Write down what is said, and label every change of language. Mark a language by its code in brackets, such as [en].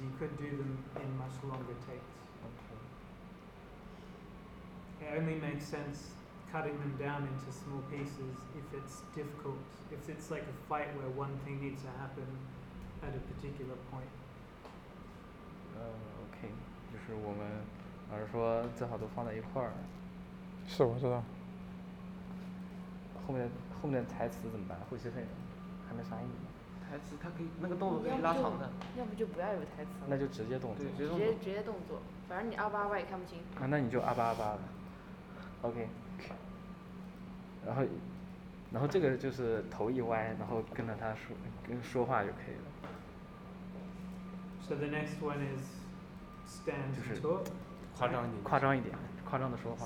[en] You could do them in much longer takes. It only makes sense cutting them down into small pieces if it's difficult. If it's like a fight where one thing needs to happen at a particular point. Okay. [zh] 就是我们老师说最好都放在一块儿。是，我知道。后面台词怎么办？呼吸费呢？还没啥意思。台词它可以那个动作可以拉长的。要不就不要有台词了。那就直接动作。对，直接动作，反正你阿巴阿巴也看不清。啊，那你就阿巴阿巴了。Okay. 然后这个就是头一歪，然后跟着他说话就可以了。 [en] So the next one is stand talk. [zh] 就是夸张一点，夸张的说话。